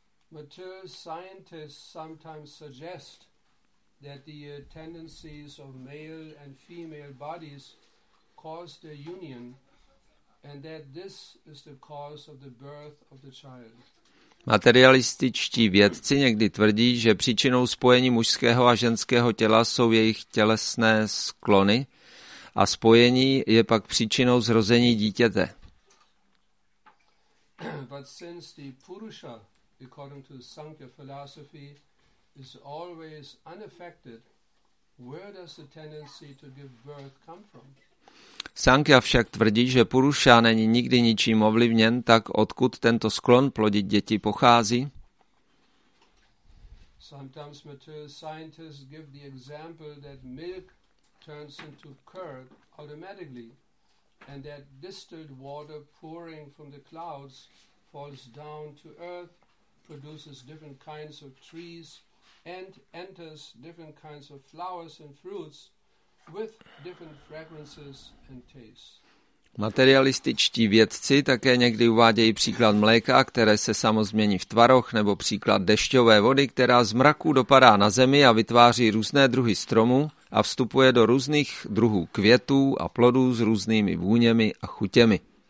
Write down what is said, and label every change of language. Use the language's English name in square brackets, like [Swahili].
[English] Mature scientists sometimes suggest that the tendencies of male and female bodies cause their union and that this is the cause of the birth of the child. [Czech] Materialističtí vědci někdy tvrdí, že příčinou spojení mužského a ženského těla jsou jejich tělesné sklony a spojení je pak příčinou zrození dítěte. [English] But since the Purusha, according to Sankhya philosophy, is always unaffected, where does the tendency to give birth come from? [Czech] Sankhya však tvrdí, že Purusha není nikdy ničím ovlivněn, tak odkud tento sklon plodit děti pochází? [English] Sometimes mature scientists give the example that milk turns into curd automatically and that distilled water pouring from the clouds falls down to earth, produces different kinds of trees and enters different kinds of flowers and fruits with different fragrances and tastes. [Czech] Materialističtí vědci také někdy uvádějí příklad mléka, které se samo změní v tvaroch, nebo příklad dešťové vody, která z mraku dopadá na zemi a vytváří různé druhy stromů a vstupuje do různých druhů květů a plodů s různými vůněmi a chutěmi.